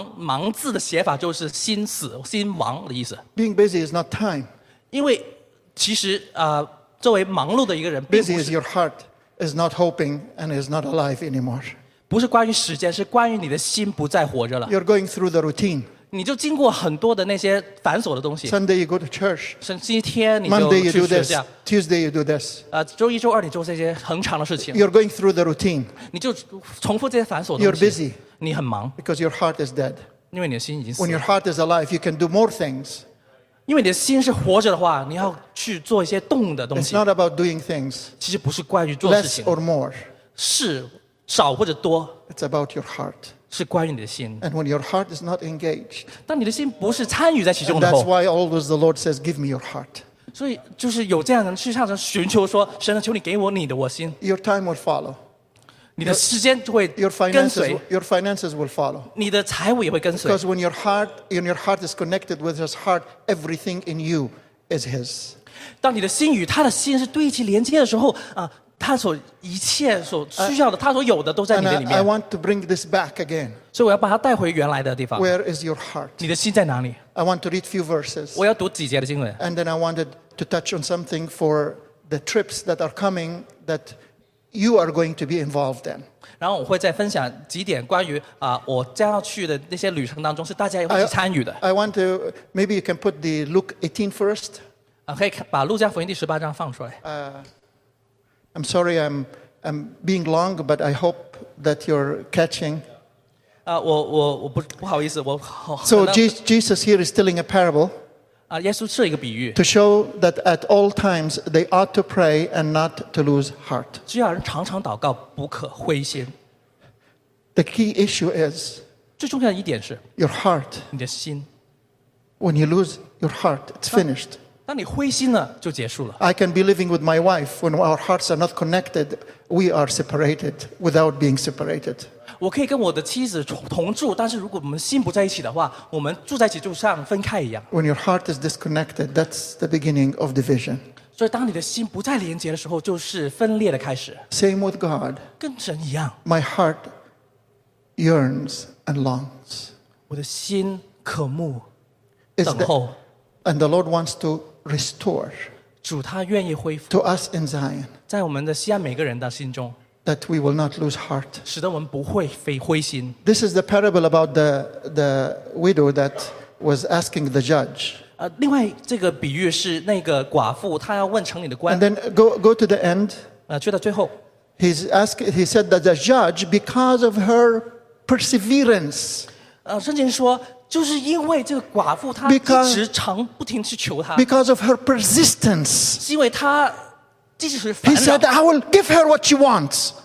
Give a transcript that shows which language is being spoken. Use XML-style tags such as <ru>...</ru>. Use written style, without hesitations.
<zh>就是我学到一个字，就是中文字忙碌的忙，忙字的写法就是心死，心亡的意思。</zh> <en>Being busy is not time.</en> <zh>因为其实, 作为忙碌的一个人,</zh> <en>busy is your heart is not hoping and is not alive anymore.</en> <zh>不是关于时间, 是关于你的心不再活着了。</zh> <en>You're going through the routine.</en> <zh>你就经过很多的那些繁琐的东西,</zh> <en>Sunday you go to church,</en> <zh>星期天你就去学校,</zh> <en>Monday you do this, Tuesday you do this,</en> <zh>周一周二你做这些恒常的事情,</zh> <en>you're going through the routine,</en> <zh>你就重复这些繁琐的东西,</zh> <en>you're busy,</en> <zh>你很忙,</zh> <en>because your heart is dead,</en> <zh>因为你的心已经死了。</zh> <en>When your heart is alive, you can do more things,</en> <zh>因为你的心是活着的话, 你要去做一些动的东西。</zh> <en>It's not about doing things,</en> <zh>其实不是关于做事情,</zh> <en>less or more,</en> <zh>是少或者多,</zh> <en>it's about your heart.</en> <zh>是关于你的心,</zh> <en>and when your heart is not engaged,</en> <zh>当你的心不是参与在其中的时候,</zh> <en>and that's why always the Lord says, give me your heart.</en> <zh>所以就是有这样的去向神寻求说, 神啊, 求你给我你的我心,</zh> <en>your time will follow,</en> <zh>你的时间就会跟随,</zh> <en>your finances will follow,</en> <zh>你的财务也会跟随,</zh> <en>because when your heart is connected with his heart, everything in you is his.</en> <zh>当你的心与他的心是对齐连接的时候, 他所一切所需要的, 他所有的都在你的里面。</zh> <en>I want to bring this back again.</en> <zh>所以我要把它带回原来的地方。</zh> <en>Where is your heart?</en> <zh>你的心在哪里?</zh> <en>I want to read a few verses.</en> <zh>我要读几节的经文。</zh> <en>And then I wanted to touch on something for the trips that are coming that you are going to be involved in.</en> <zh>然后我会再分享几点关于, 我将要去的那些旅程当中是大家一起参与的。</zh> <en>I want to, maybe you can put the Luke 18 first.</en> <zh>可以把路加福音第18章放出来。</zh> <en>I'm sorry I'm being long, but I hope that you're catching. So Jesus here is telling a parable,</en> <zh>Yes,是一个比喻,</zh> <en>to show that at all times they ought to pray and not to lose heart.</en> <zh>只要人常常祷告, 不可灰心,</zh> <en>the key issue is</en> <zh>最重要的一点是,</zh> <en>your heart.</en> <zh>你的心,</zh> <en>when you lose your heart, it's finished.</en> <zh>当你灰心了,</zh> <en>I can be living with my wife when our hearts are not connected, we are separated without being separated.</en> <zh>我可以跟我的妻子同住, 但是如果我们心不在一起的话, 我们住在一起就像分开一样。</zh> <en>When your heart is disconnected, that's the beginning of division.</en> <zh>所以当你的心不再连接的时候, 就是分裂的开始。</zh> <en>Same with God.</en> <zh>跟神一样。</zh> <en>My heart yearns and longs.</en> <zh>我的心渴慕, 等候。</zh> <en>And the Lord wants to restore</en> <zh>主他愿意恢复,</zh> <en>to us in Zion,</en> <zh>在我们的西安每个人的心中,</zh> <en>that we will not lose heart.</en> <zh>使得我们不会灰心.</zh> <en>This is the parable about the widow that was asking the judge.</en> <zh>另外这个比喻是那个寡妇, 她要问城里的官.</zh> <en>And then go to the end.</en> <zh>去到最后.</zh> <en>He said that the judge, because of her perseverance,</en> <zh>圣经说, 就是因为这个寡妇她,</zh> <en>because of her persistence,</en> <zh>是因为她,</zh> <en>he said, I will give her what she wants.</en>